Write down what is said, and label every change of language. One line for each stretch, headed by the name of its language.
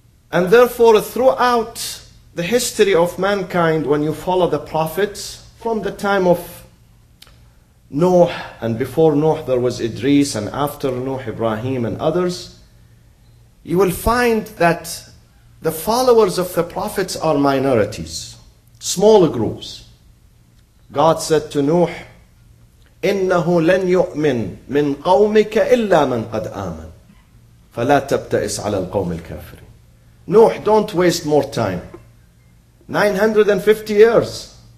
English: And therefore, throughout the history of mankind, when you follow the prophets from the time of Noah, and before Noah there was Idris, and after Noah Ibrahim and others, you will find that the followers of the prophets are minorities, smaller groups. God said to Noah,
Arabic: إِنَّهُ لَنْ يُؤْمِنْ مِنْ قَوْمِكَ إِلَّا مَنْ قَدْ آمَنْ فَلَا تَبْتَئِسْ عَلَى الْقَوْمِ الْكَافِرِينَ.
English: Noah, don't waste more time. 950 years.